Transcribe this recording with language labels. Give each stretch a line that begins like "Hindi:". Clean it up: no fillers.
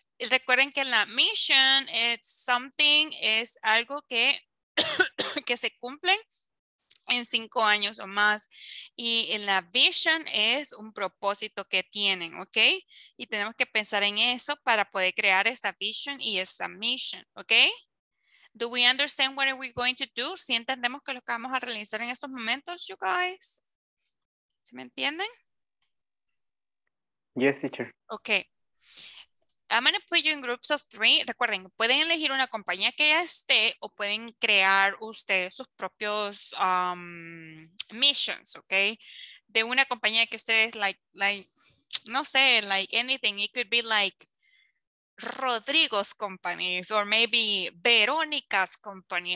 Spanish: Recuerden que la mission
English: is something,
Spanish: es algo que se cumplen en 5 años o más. Y la vision es un propósito que tienen, ¿ok? Y tenemos que pensar en eso para poder crear esta vision y esta mission, ¿ok?
English: Do we understand what are we going to do?
Spanish: ¿Sí entendemos que lo que vamos a realizar en estos momentos,
English: you guys?
Spanish: ¿Se me entienden?
English: Yes, teacher. Ok. I'm going to put you in groups of three.
Spanish: Recuerden, pueden elegir una compañía que ya esté o pueden crear ustedes sus propios missions, ¿ok? De una compañía que ustedes,
English: like anything. It could be like Rodrigo's companies or maybe Verónica's company.